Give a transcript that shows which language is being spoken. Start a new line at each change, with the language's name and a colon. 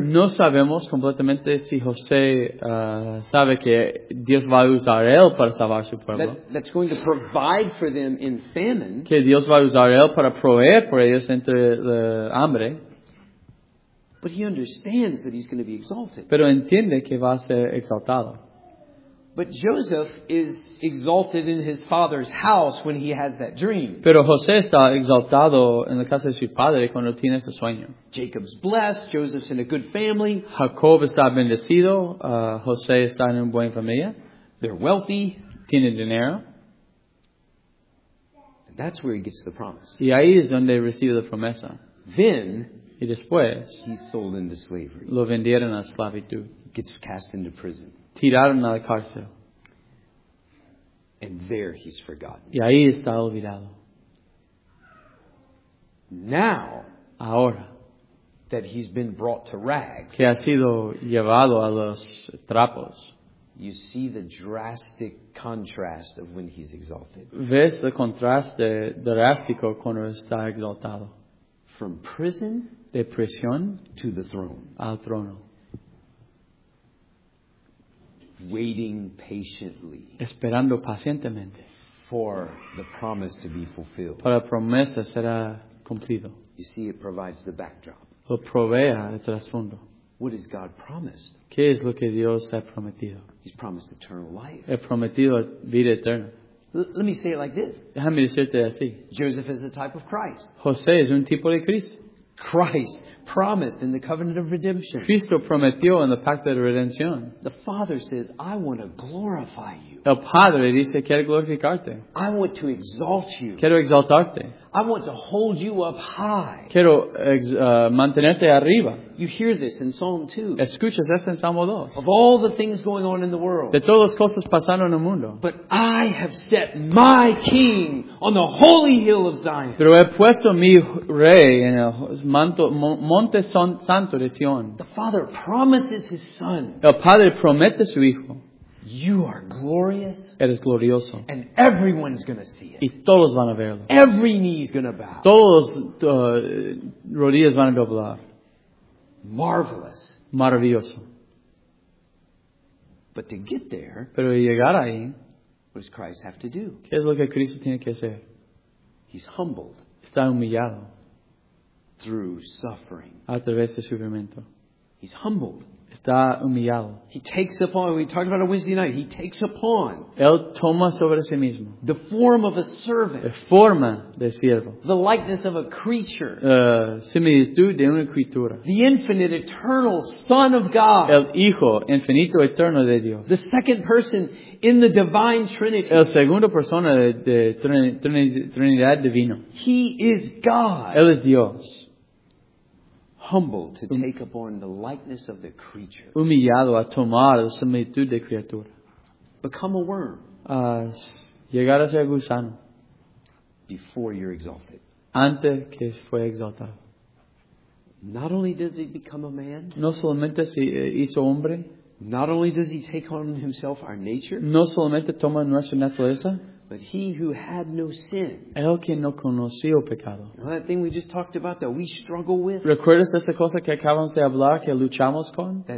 Spanish: No sabemos completamente si José sabe que Dios va a usar él para salvar su pueblo.
English: That's going to provide for them in famine.
Spanish: Que Dios va a usar él para proveer por ellos entre la hambre.
English: But he understands that he's going to be exalted.
Spanish: Pero entiende que va a ser exaltado.
English: But Joseph is exalted in his father's house when he has that dream.
Spanish: Pero José está exaltado en la casa de su padre cuando tiene ese sueño.
English: Jacob's blessed. Joseph's in a good family.
Spanish: Jacob está bendecido. José está en una buena familia.
English: They're wealthy.
Spanish: Tiene dinero.
English: And that's where he gets the promise.
Spanish: Y ahí es donde recibe la promesa.
English: Then,
Spanish: y después,
English: he's sold into slavery.
Spanish: Lo vendieron a esclavitud.
English: Gets cast into prison.
Spanish: Tiraron a la cárcel.
English: And there he's forgotten.
Spanish: Y ahí está olvidado.
English: Now,
Spanish: ahora,
English: that he's been brought to rags,
Spanish: que ha sido llevado a los trapos,
English: you see the drastic contrast of when he's exalted.
Spanish: Ves el contraste drástico cuando está exaltado.
English: From prison,
Spanish: de prisión,
English: to the throne,
Spanish: al trono.
English: Waiting patiently,
Spanish: esperando pacientemente,
English: for the promise to be fulfilled,
Spanish: para la promesa será cumplido.
English: You see, it provides the backdrop.
Spanish: Lo provea el trasfondo.
English: What has God promised?
Spanish: ¿Qué es lo que Dios ha prometido?
English: He's promised eternal life.
Spanish: Ha prometido vida eterna.
English: Let me say it like this.
Spanish: Déjame decirte así.
English: Joseph is a type of Christ.
Spanish: José es un tipo de Cristo.
English: Christ promised in the covenant of redemption.
Spanish: Cristo prometió en el pacto de redención.
English: The Father says, I want to glorify you.
Spanish: El Padre dice, quiero glorificarte.
English: I want to exalt you.
Spanish: Quiero exaltarte.
English: I want to hold you up high.
Spanish: Quiero mantenerte arriba.
English: You hear this in Psalm 2.
Spanish: Escuchas eso en Salmo 2.
English: Of all the things going on in the world.
Spanish: De todas las cosas pasando en el mundo.
English: But I have set my king on the holy hill of Zion.
Spanish: Pero he puesto mi rey en el monte santo de Sion.
English: The Father promises his son.
Spanish: El Padre promete su hijo.
English: You are glorious.
Spanish: Eres glorioso.
English: And everyone's going to see it.
Spanish: Y todos van a verlo.
English: Every knee is going to bow.
Spanish: Todos rodillas van a doblar.
English: Marvelous.
Spanish: Maravilloso.
English: But to get there,
Spanish: pero llegar ahí,
English: what does Christ have to do?
Spanish: ¿Qué es lo que Cristo tiene que hacer?
English: He's humbled.
Spanish: Está humillado.
English: Through suffering.
Spanish: A través de sufrimiento.
English: He's humbled.
Spanish: Está humillado.
English: He takes upon, we talked about it Wednesday night, he takes upon,
Spanish: él toma sobre sí mismo,
English: the form of a servant,
Spanish: la forma de siervo,
English: the likeness of a creature,
Spanish: similitud de una criatura,
English: the infinite, eternal Son of God,
Spanish: el Hijo infinito, eterno de Dios,
English: the second person in the divine Trinity,
Spanish: el segundo persona de Trinidad divino,
English: he is God,
Spanish: él es Dios.
English: Humble to take upon the likeness of the creature.
Spanish: Humillado a tomar la similitud de criatura.
English: Become a worm.
Spanish: Llegar a ser gusano.
English: Before you're exalted.
Spanish: Antes que fue exaltado.
English: Not only does he become a man.
Spanish: No solamente se hizo hombre.
English: Not only does he take on himself our nature.
Spanish: No solamente toma nuestra naturaleza.
English: But he who had no sin.
Spanish: El que no conoció pecado.
English: You know that thing we just talked about that we struggle with?
Spanish: ¿Recuerdas esa cosa que acabamos de hablar que luchamos con?